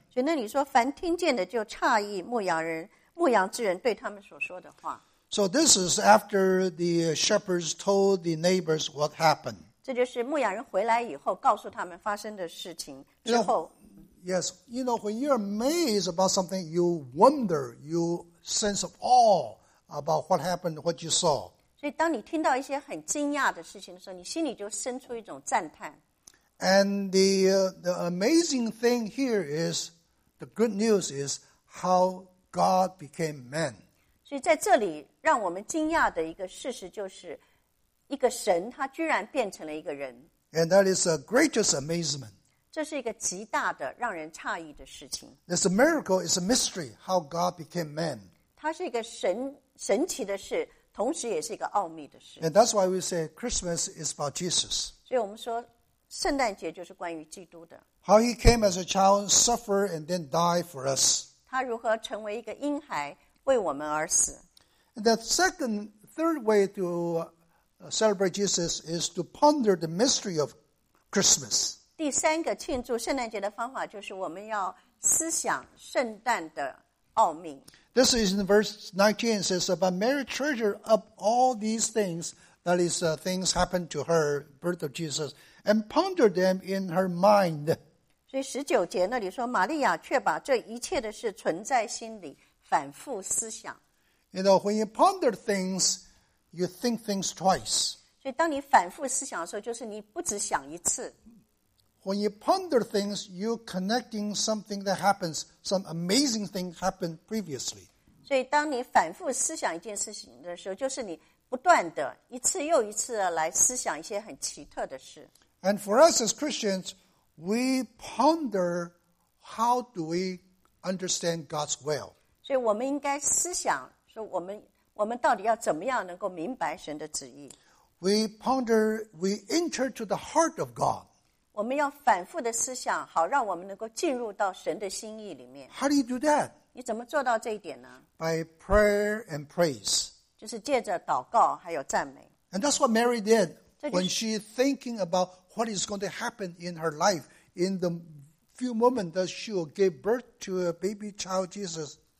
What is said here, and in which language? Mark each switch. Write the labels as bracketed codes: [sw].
[zh] 所以那里说，凡听见的就诧异牧羊之人对他们所说的话。 [en] So this is after the shepherds told the neighbors what happened. [zh] 这就是牧羊人回来以后告诉他们发生的事情之后。 [en] Yes, you know, when you're amazed about something, you wonder, you sense of awe about what happened, what you saw. [zh] 所以当你听到一些很惊讶的事情的时候，你心里就生出一种赞叹。 [en] And the amazing thing here is, the good news is how God became man. [zh] 所以在这里让我们惊讶的一个事实就是，一个神他居然变成了一个人。 [en] And that is the greatest amazement. [zh] 这是一个极大的让人诧异的事情。 [en] It's a miracle, it's a mystery, how God became man. [zh] 它是一个神奇的事，同时也是一个奥秘的事。 [en] And that's why we say Christmas is about Jesus. [zh] 所以我们说圣诞节就是关于基督的。 [en] How he came as a child, suffered, and then died for us. [zh] 他如何成为一个婴孩，为我们而死。 [en] And the third way to celebrate Jesus is to ponder the mystery of Christmas. [zh] 第三个庆祝圣诞节的方法就是我们要思想圣诞的奥秘。 [en] This is in verse 19, it says, But Mary treasured up all these things, that is, things happened to her, birth of Jesus, and pondered them in her mind. [zh] 所以十九节那里说，玛利亚却把这一切的事存在心里，反复思想。 [en] You know, when you ponder things, you think things twice. [zh] 所以当你反复思想的时候，就是你不只想一次。 [en] When you ponder things, you're connecting something that happens, some amazing thing happened previously. [zh] 所以当你反复思想一件事情的时候，就是你不断的一次又一次的来思想一些很奇特的事。 [en] And for us as Christians, we ponder how do we understand God's will. [zh] 所以我们应该思想说我们到底要怎么样能够明白神的旨意。 [en] We ponder, we enter to the heart of God. [zh] 我们要反复的思想，好让我们能够进入到神的心意里面。 [en] How do you do that? [zh] 你怎么做到这一点呢？ [en] By prayer and praise. [zh] 就是借着祷告还有赞美。 [en] And that's what Mary did when she thinking about what is going to happen in her life in the few moments that she will give birth to a baby child Jesus.